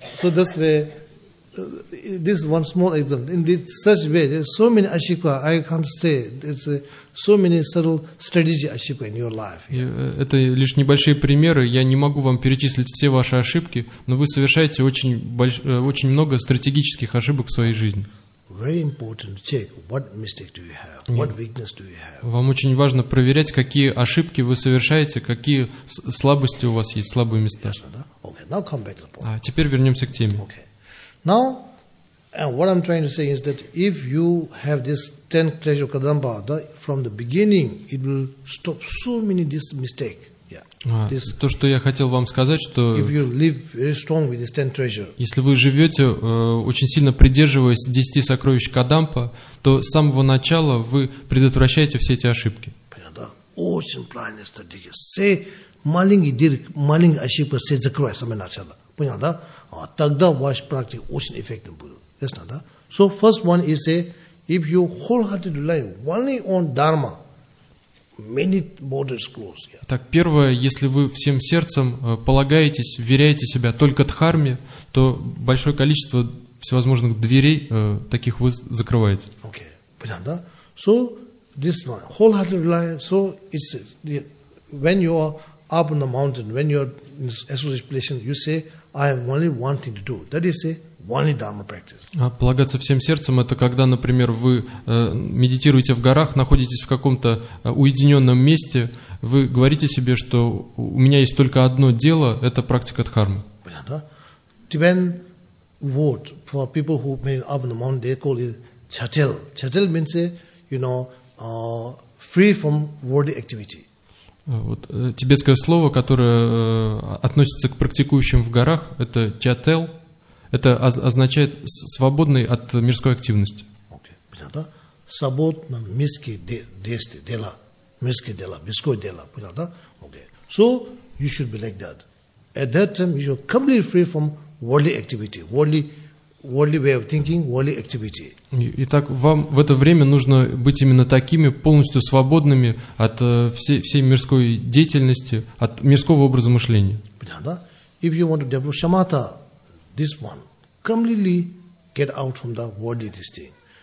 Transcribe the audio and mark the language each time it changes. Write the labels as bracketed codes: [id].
[en] So that's where, this is one small example. In this, such way, there's so many ошибка, I can't say. It's so many subtle strategy ошибка in your life. Yeah. [ru] Это лишь небольшие примеры. Я не могу вам перечислить все ваши ошибки, но вы совершаете очень много стратегических ошибок в своей жизни. [en] Very important to check what mistake do you have, yeah. What weakness do you have. [ru] Вам очень важно проверять, какие ошибки вы совершаете, какие слабости у вас есть, слабые места. [en] Yes, да? Okay, now come back to the point. [ru] Теперь вернемся к теме. [en] Okay. Now, what I'm trying to say is that if you have this 10 treasure kadamba, from the beginning, it will stop so many this mistake. [ru] То, что я хотел вам сказать, что если вы живете, очень сильно придерживаясь 10 сокровищ Кадампа, то с самого начала вы предотвращаете все эти ошибки. Понятно. Очень правильная стратегия. Все маленькие ошибки все закрывают с самого начала. Понятно, да? Тогда ваша практика очень эффективна будет. Ясно, да? [en] So, first one is a, if you wholeheartedly rely only on Dharma, many borders close. Yeah. [ru] Так, первое, если вы всем сердцем полагаетесь, вверяете себя только Дхарме, то большое количество всевозможных дверей таких вы закрываете. Okay. Понятно, да? [en] So, this one, wholeheartedly rely, so it's, when you are up on the mountain, when you are in this association, you say, I have only one thing to do. That is a only Dharma practice. [ru] А полагаться всем сердцем — это когда, например, вы медитируете в горах, находитесь в каком-то уединенном месте, вы говорите себе, что у меня есть только одно дело — это практика Дхармы. Понятно? [en] Tibetan word for people who made it up on the mountain, they call it chatel. Chatel means, you know, free from worldly activity. [ru] Вот тибетское слово, которое относится к практикующим в горах, это чател. Это означает свободный от мирской активности. Понятно? Свободно мирские дела. Понятно? [en] Okay. So you should be like that. At that time you should be completely free from worldly activity, worldly way of thinking, worldly activity. [ru] Итак, вам в это время нужно быть именно такими, полностью свободными от всей мирской деятельности, от мирского образа мышления. Понятно? [en] If you want to develop shamatha, this one. Completely get out from the worldly this thing.